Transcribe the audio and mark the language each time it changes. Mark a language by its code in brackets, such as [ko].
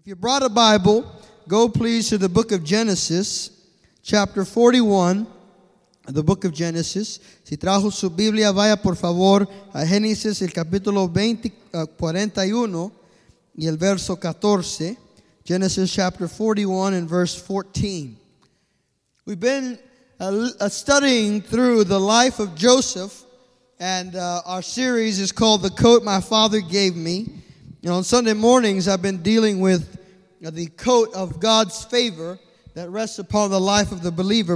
[en] You brought a Bible, go please to the book of Genesis, chapter 41, the book of Genesis. [es] Si trajo su Biblia, vaya por favor a Génesis, el capítulo 41 y el verso 14. [en] Genesis chapter 41 and verse 14. We've been studying through the life of Joseph, and our series is called The Coat My Father Gave Me. And on Sunday mornings, I've been dealing with the coat of God's favor that rests upon the life of the believer.